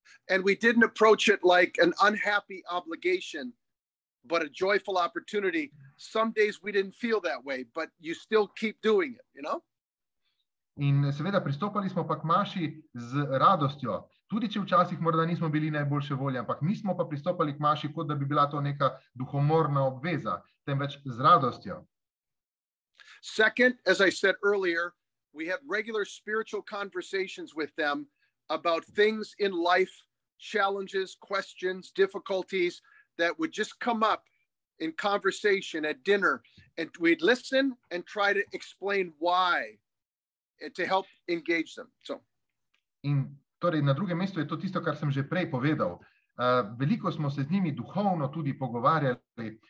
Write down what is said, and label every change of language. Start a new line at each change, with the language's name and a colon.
English: And we didn't approach it like an unhappy obligation, but a joyful opportunity. Some days we didn't feel that way, but you still keep doing it, you know?
Slovenian: In seveda pristopali smo pa k maši z radostjo. Tudi če včasih morda nismo bili najboljše volje, ampak mi smo pa pristopali k maši, kot da bi bila to neka duhomorna obveza, temveč z radostjo.
English: Second, as I said earlier, we had regular spiritual conversations with them about things in life, challenges, questions, difficulties that would just come up in conversation at dinner, and we'd listen and try to explain why and to help engage them. So.
Slovenian: In torej, na drugem mestu je to tisto, kar sem že prej povedal. Veliko smo se z njimi duhovno tudi pogovarjali.